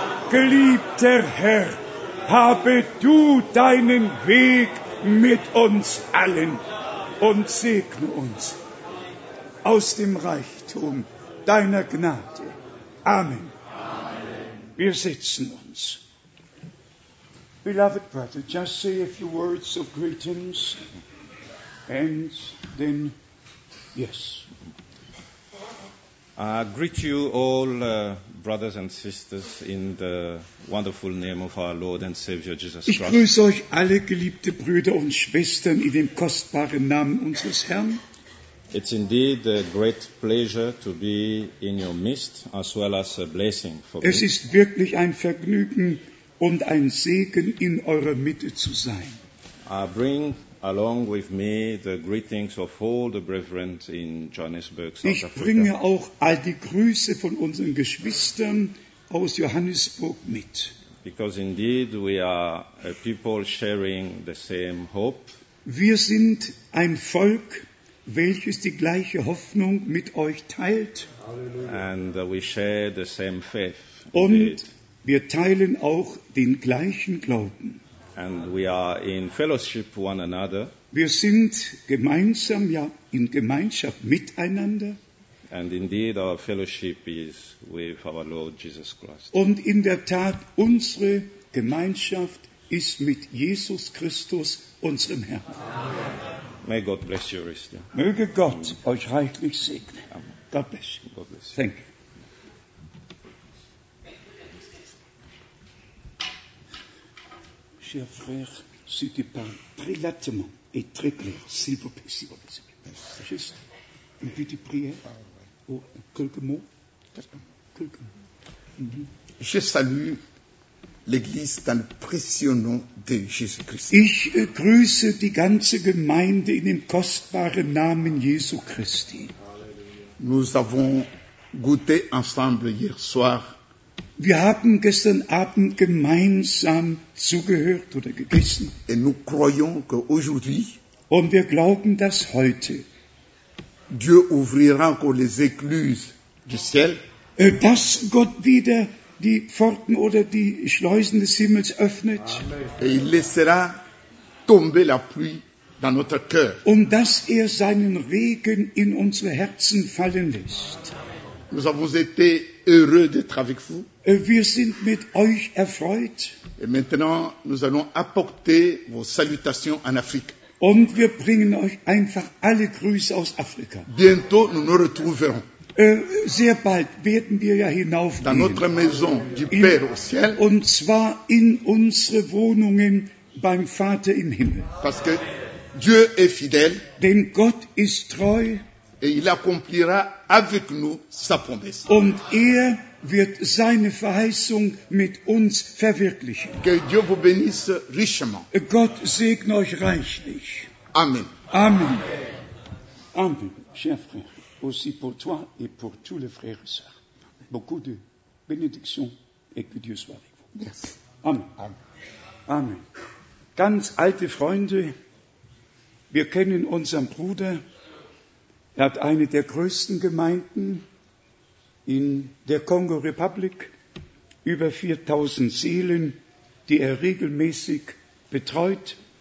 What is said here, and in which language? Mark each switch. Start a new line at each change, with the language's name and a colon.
German: Geliebter Herr, habe du deinen Weg mit uns allen und segne uns aus dem Reichtum deiner Gnade. Amen. Wir setzen uns.
English: Beloved brother, just say a few words of greetings, and then, yes. I greet you all, brothers and sisters, in the wonderful name of our Lord and Savior Jesus Christ.
German: Ich grüße euch alle, geliebte Brüder und Schwestern, in dem kostbaren Namen unseres Herrn.
English: It's indeed a great pleasure to be in your midst, as well as a blessing for me.
German: Es ist wirklich ein Vergnügen und ein Segen in eurer Mitte zu sein.
English: I bring along with me the greetings of all the brethren in Johannesburg, South
German: Africa. Ich bringe auch all die Grüße von unseren Geschwistern aus Johannesburg mit.
English: Because indeed we are a people sharing the same hope.
German: Wir sind ein Volk, welches die gleiche Hoffnung mit euch teilt.
English: And we share the same faith. Indeed.
German: Wir teilen auch den gleichen Glauben.
English: And we are in fellowship one another.
German: Wir sind gemeinsam, ja, in Gemeinschaft miteinander.
English: And indeed our fellowship is with our Lord Jesus Christ.
German: Und in der Tat, unsere Gemeinschaft ist mit Jesus Christus, unserem Herrn.
English: May God bless you, Christian.
German: Möge Gott euch reichlich segnen.
English: Amen. God bless you. God bless you. Thank you.
French: Chers frères, si tu parles très lentement et très clair, s'il vous plaît, s'il vous plaît, s'il vous plaît. Juste une petite prière, ou quelques mots. Quelques mots. Je salue l'Église dans le précieux nom de Jésus-Christ.
German: Ich grüße die ganze Gemeinde in dem kostbaren Namen Jesu Christi.
French: Nous avons goûté ensemble hier soir
German: Wir haben gestern Abend gemeinsam zugehört oder gegessen.
French: Et nous croyons que aujourd'hui,
German: und wir glauben, dass heute
French: Dieu ouvrira encore les écluses du ciel,
German: dass Gott wieder die Pforten oder die Schleusen des Himmels öffnet.
French: Et il laissera tomber la pluie dans notre cœur.
German: Und dass er seinen Regen in unsere Herzen fallen lässt.
French: Nous avons été heureux d'être avec vous.
German: Wir sind mit euch erfreut.
French: Et maintenant, nous allons apporter vos salutations en Afrique.
German: Und wir bringen euch einfach alle Grüße aus Afrika.
French: Bientôt, nous nous retrouverons.
German: Sehr bald werden wir ja hinaufgehen.
French: Dans notre maison du Père au ciel.
German: Und zwar in unsere Wohnungen beim Vater im Himmel.
French: Parce que Dieu est fidèle.
German: Denn Gott ist treu.
French: Et il accomplira avec nous sa promesse.
German: Und er wird seine Verheißung mit uns verwirklichen.
French: Que Dieu vous bénisse richement.
German: Gott segne euch reichlich. Amen. Amen. Amen.
French: Chers frères, aussi pour toi et pour tous les frères et sœurs. Beaucoup de bénédictions et que Dieu soit avec vous.
English: Yes. Amen. Amen. Amen.
German: Ganz alte Freunde, wir kennen unseren Bruder. Er hat eine der größten Gemeinden in der Kongo-Republik, über 4000 Seelen, die er regelmäßig betreut.